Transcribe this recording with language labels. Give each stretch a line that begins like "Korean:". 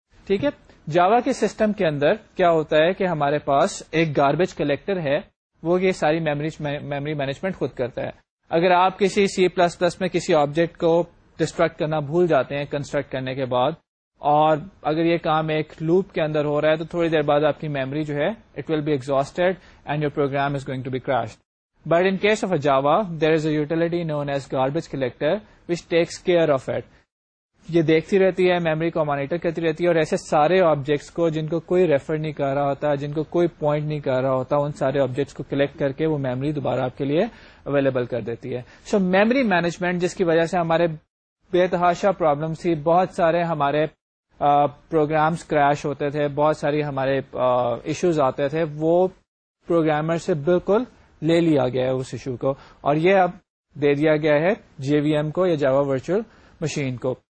Urdu: ٹھیک ہے, جاوا کے سسٹم کے اندر کیا ہوتا ہے کہ ہمارے پاس ایک گاربیج کلیکٹر ہے, وہ یہ ساری میموری مینجمنٹ خود کرتا ہے. اگر آپ کسی سی پلس پلس میں کسی آبجیکٹ کو ڈسٹرکٹ کرنا بھول جاتے ہیں کنسٹرکٹ کرنے کے بعد, اور اگر یہ کام ایک لوپ کے اندر ہو رہا ہے تو تھوڑی دیر بعد آپ کی میموری جو ہے
English: It will be exhausted and your program is going to be crashed. But in case of a Java, there is a utility known as garbage collector which takes care of it.
Urdu: یہ دیکھتی رہتی ہے, memory کو monitor کرتی رہتی ہے, اور ایسے سارے آبجیکٹس کو جن کو کوئی ریفر نہیں کر رہا ہوتا, جن کو کوئی پوائنٹ نہیں کر رہا ہوتا, ان سارے آبجیکٹس کو کلیکٹ کر کے وہ میموری دوبارہ آپ کے لیے اویلیبل کر دیتی ہے. سو میموری مینجمنٹ, جس کی وجہ سے ہمارے بے تحاشا پرابلمس تھی, بہت سارے ہمارے پروگرامس کریش ہوتے تھے, بہت ساری ہمارے ایشوز آتے تھے, وہ پروگرامر سے بالکل لے لیا گیا ہے اس ایشو کو, اور یہ اب دے دیا گیا ہے جے وی ایم کو یا جاوا ورچوئل مشین کو.